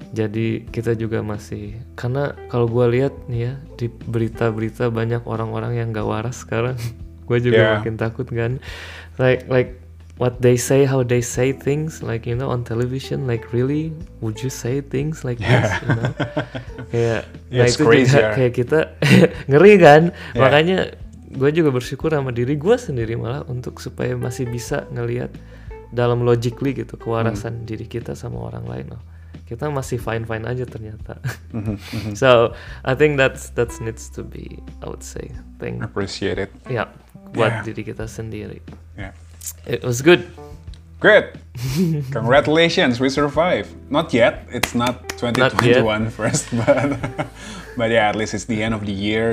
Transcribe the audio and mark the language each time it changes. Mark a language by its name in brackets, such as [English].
[Indonesian] Jadi kita juga masih, karena kalau gue lihat nih ya di berita-berita banyak orang-orang yang nggak waras sekarang. Gue juga makin takut kan, [English] like what they say, how they say things, like, you know, on television, like, really, would you say things like this, you know? It's crazy. [Indonesian] Juga, kayak kita, ngeri kan? Yeah. Makanya, gue juga bersyukur sama diri gue sendiri malah, untuk supaya masih bisa ngelihat dalam logically gitu, kewarasan diri kita sama orang lain. Oh, kita masih fine-fine aja ternyata. [English] So, I think that's needs to be, I would say, thing. Appreciate it. [Indonesian] Yeah, buat diri kita sendiri. [English] Yeah. It was good. Great. Congratulations, we survived. Not yet. It's not 2021 first, but yeah, at least it's the end of the year.